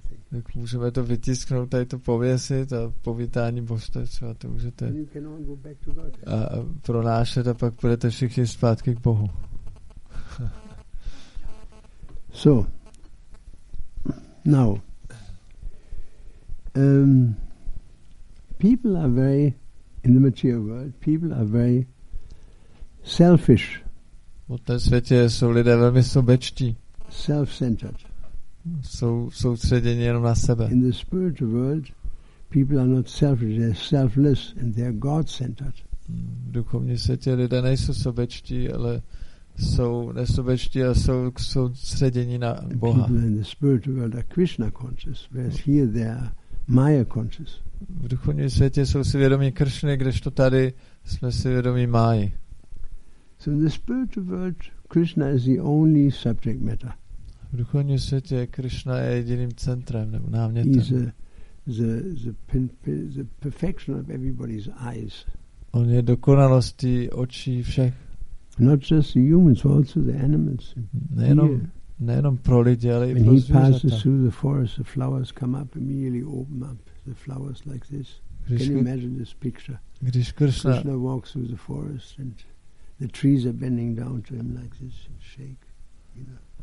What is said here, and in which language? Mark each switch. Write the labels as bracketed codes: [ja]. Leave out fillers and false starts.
[cs] Tak můžeme to vytisknout, tady to pověsit a povítání božstva, třeba to můžete a pronášet a pak budete všichni zpátky k Bohu. [en] So, now, people are very, in the material world, people are very selfish. [cs] V té světě jsou lidé velmi sobečtí. [en] Self-centered. [cs] Jsou soustředěni jenom na sebe. [en] In the spiritual world, people are not selfish, they're selfless and they're God-centered. [cs] V duchovní světě lidé nejsou sobečtí, ale jsou nesobečtí a jsou soustředěni na Boha. [en] People in the spiritual world are Krishna conscious, whereas here they are Maya conscious. [cs] V duchovním světě jsou si vědomí Kršny, kdežto tady jsme si vědomí Máji. [en] So in the spiritual world, Krishna is the only subject matter. [cs] V duchovním světě Krishna je jediným centrem nebo námětem. [en] He's the perfection of everybody's eyes. [cs] On je dokonalostí očí všech. [en] Not just the humans, also the animals. [cs] Nejenom pro lidi, ale i pro zvířata. [en] When he passes through the forest, the flowers come up, immediately open up the flowers like this. Can you imagine this picture? [cs] Když Krishna, [en] Krishna walks through the forest and the trees are bending down to him like this and shake, you know.